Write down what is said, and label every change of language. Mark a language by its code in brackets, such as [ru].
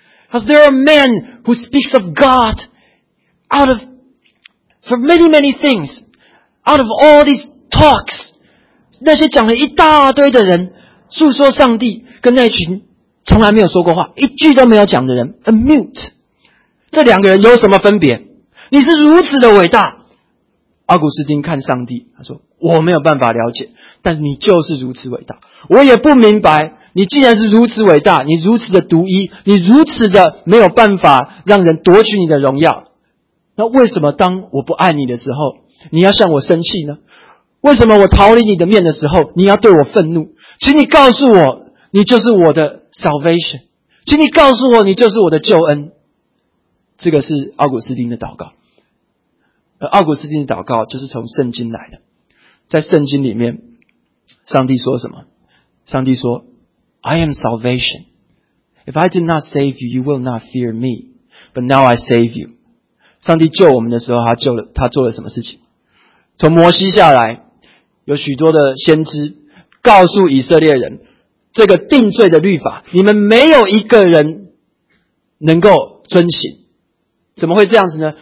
[en] Because there are men who speaks of God out of, for many, many things, out of all these talks. [zh] 那些讲了一大堆的人述说上帝，跟那群从来没有说过话一句都没有讲的人 [en] a mute. [zh] 这两个人有什么分别？你是如此的伟大。奥古斯丁看上帝，他说我没有办法了解，但是你就是如此伟大。我也不明白，你既然是如此伟大，你如此的独一，你如此的没有办法让人夺取你的荣耀，那为什么当我不爱你的时候你要向我生气呢？为什么我逃离你的面的时候你要对我愤怒？请你告诉我，你就是我的 salvation， 请你告诉我，你就是我的救恩。这个是奥古斯丁的祷告，而奥古斯丁的祷告就是从圣经来的。在圣经里面上帝说什么？上帝说 [en] I am salvation. If I did not save you, you will not fear me. But now I save you. [zh] 上帝救我们的时候他做了什么事情？从摩西下来有许多的先知告诉以色列人这个定罪的律法，你们没有一个人能够遵行。怎么会这样子呢？